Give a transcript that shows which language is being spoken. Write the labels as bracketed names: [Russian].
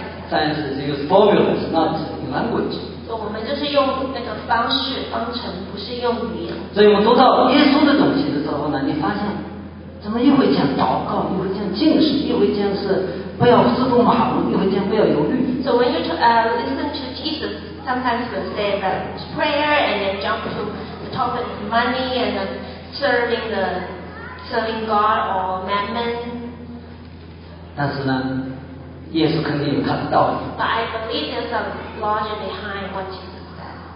[English] Science is use formulas, not in language. So [Chinese] 我们就是用那个方程，不是用语言。所以我们读到耶稣的东西的时候呢，你发现怎么一会讲祷告，一会讲禁食，一会讲是不要四顾马虎，一会讲不要犹豫。 [English] So when you listen to Jesus. Sometimes we say the prayer and then jump to the topic of money and then serving God or mammon. [Chinese] 但是呢，耶稣肯定有他的道理。 [English] But I believe there's a logic behind what Jesus said.